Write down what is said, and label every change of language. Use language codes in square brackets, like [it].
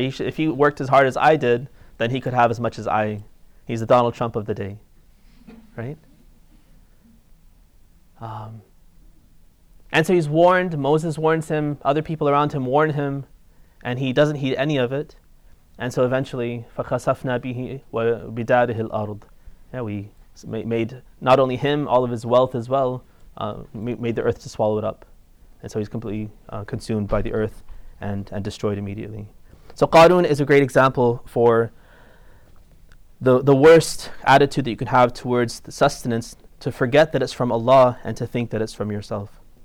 [en] If he worked as hard as I did, then he could have as much as I. He's the Donald Trump of the day, right? And so he's warned, Moses warns him, other people around him warn him, and he doesn't heed any of it. And so eventually, [ar] فَخَسَفْنَا بِهِ وَبِدَارِهِ الْأَرْضِ. [en] Yeah, we made not only him, all of his wealth as well, made the earth to swallow it up. And so he's completely consumed by the earth and destroyed immediately. So Qarun is a great example for the worst attitude that you can have towards the sustenance, to forget that it's from Allah and to think that it's from yourself.